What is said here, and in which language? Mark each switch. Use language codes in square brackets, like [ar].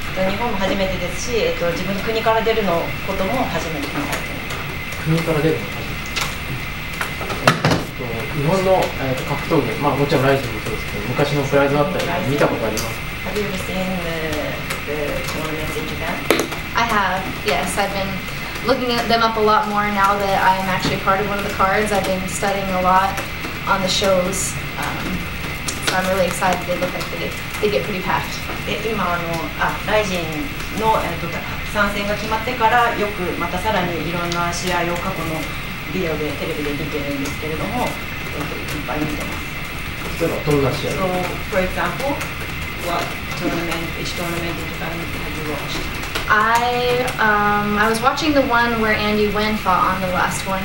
[ja] 日本も初めてですし、自分の国から出るのことも初めて考えています国から出るの日本の、格闘技、まあ、もちろんライジンもそうですけど、昔のプライドだったり、見たことありますか？ [en] Have you ever seen the tournaments in Japan? I have, yes. I've been looking at them up a lot more now that I am actually part of one of the cards. I've been studying a lot on the shows. So I'm really excited. They look like they get pretty packed. [ja] で、今ライジンの、参戦が決まってから、よくまたさらにいろんな試合を過去のビデオでテレビで見てるんですけれども、いっぱい見てます。例えばどんな試合 [en] ？So, for example, what tournament, which tournament in Japan have you watched? I was watching the one where Andy Nguyen fought on the last one.